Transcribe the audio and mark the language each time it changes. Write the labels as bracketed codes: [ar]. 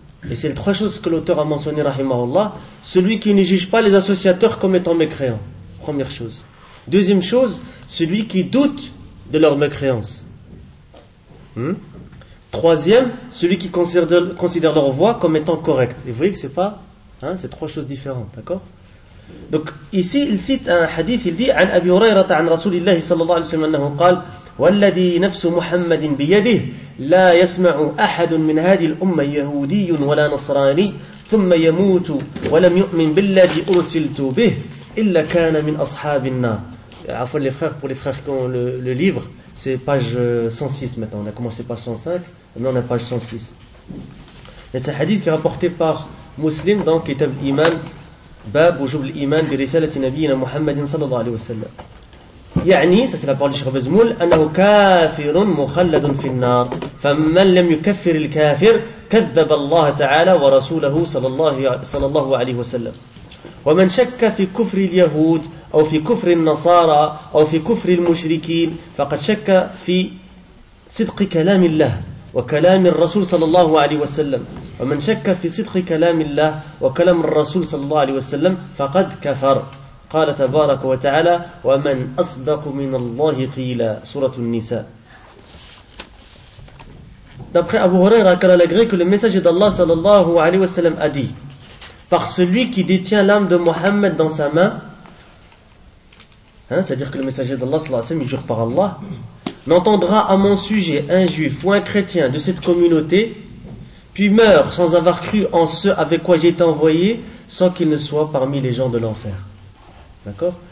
[fr] Et c'est les trois choses que l'auteur a mentionnées, rahimahullah. Celui qui ne juge pas les associateurs comme étant mécréants. Première chose. Deuxième chose, celui qui doute de leur mécréance. Troisième, celui qui considère leur voix comme étant correcte. Et vous voyez que c'est pas... c'est trois choses différentes, d'accord? Donc ici, il cite un hadith, il dit [ar] « An Abi Hurayrata, an Rasulillahi sallallahu alayhi wa sallam, annahu qala والذي نفس محمد بيده لا يسمع أحد من هذه الأمة يهودي ولا نصراني ثم يموت ولم يؤمن بالذي أرسلت به إلا كان من أصحاب النار. [fr] عفوا les frères, pour les frères qui ont le livre, c'est page 106 maintenant. On a commencé page 105, maintenant on est page 106. C'est un hadith qui est rapporté par Muslim dans Kitab Iman, Bab Wujub al-Iman bi Risalati Nabiyyina Muhammad sallallahu alayhi wa sallam. [ar] يعني سلسلة قول الشيخ بزمول أنه كافر مخلد في النار فمن لم يكفر الكافر كذب الله تعالى ورسوله صلى الله عليه وسلم ومن شك في كفر اليهود أو في كفر النصارى أو في كفر المشركين فقد شك في صدق كلام الله وكلام الرسول صلى الله عليه وسلم ومن شك في صدق كلام الله وكلام الرسول صلى الله عليه وسلم فقد كفر. قال تبارك وتعالى ومن أصدق من الله قيلا سورة النساء. [fr] D'après Abu Huraira, car la grecque, que le message d'Allah sallallahu alayhi wa sallam a dit, par celui qui détient l'âme de Mohammed dans sa main, c'est-à-dire que le message d'Allah sallallahu alayhi wa sallam, il jure par Allah, n'entendra à mon sujet un juif ou un chrétien de cette communauté, puis meurt sans avoir cru en ce avec quoi j'ai été envoyé, sans qu'il ne soit parmi les gens de l'enfer. D'accord?